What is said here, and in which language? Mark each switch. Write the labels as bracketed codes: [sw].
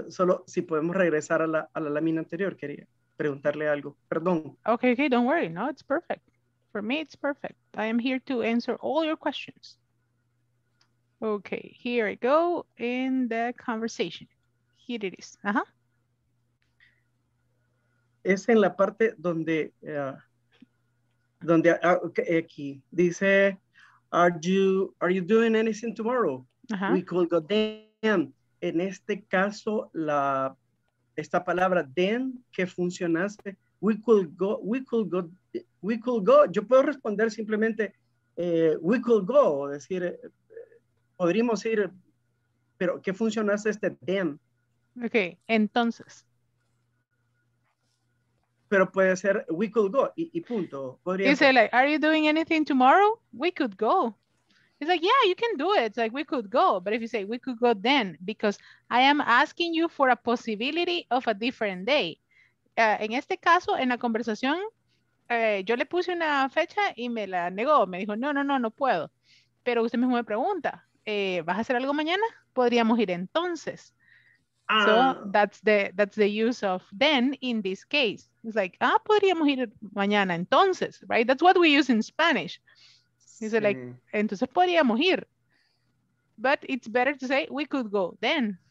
[es] Solo si podemos regresar a la lámina anterior, quería preguntarle algo. Perdón. [en] Okay, don't worry. No, it's perfect. For me, it's perfect. I am here to answer all your questions. Okay, here I go in the conversation. Here it is. Ajá. [es] Es en la parte donde aquí dice, [en] are you doing anything tomorrow? Uh-huh. We could go then. [es] En este caso, esta palabra then, que funcionaste, [en] we could go. [es] Yo puedo responder simplemente, [en] we could go, [es] o decir, podríamos ir, pero que funcionaste este then. Okay, entonces. Pero puede ser, [en] we could go, [es] y punto. [en] Podría you say, like, are you doing anything tomorrow? We could go. It's like, yeah, you can do it. It's like, we could go. But if you say, we could go then, because I am asking you for a possibility of a different day. [es] En este caso, en la conversación, yo le puse una fecha y me la negó. Me dijo, no puedo. Pero usted mismo me pregunta, ¿vas a hacer algo mañana? Podríamos ir entonces. [en] So that's the use of then in this case. It's like, [es] podríamos ir mañana entonces, [en] right? That's what we use in Spanish. You say like, [es] entonces podríamos ir. [en] But it's better to say, we could go then.